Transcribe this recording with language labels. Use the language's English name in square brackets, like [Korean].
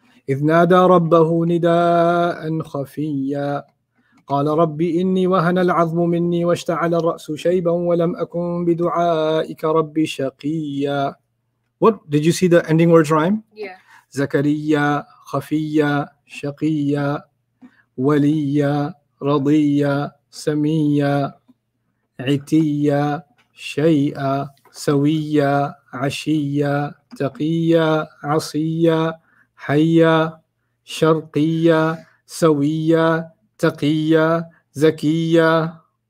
[Arabic] إذ نادى ربه نداء خفيا قال ربي إني وهن العظم مني واشتعل الرأس شيبا ولم أكن بدعائك ربي شقيا. [English] What did you see the ending words rhyme? Yeah. [Arabic] زكريا خفيا شقيا وليا رضيا سميا عتيا شيئا سويا عشيا تقيا عصيا حيا شرقيا سويا تقيا زكيا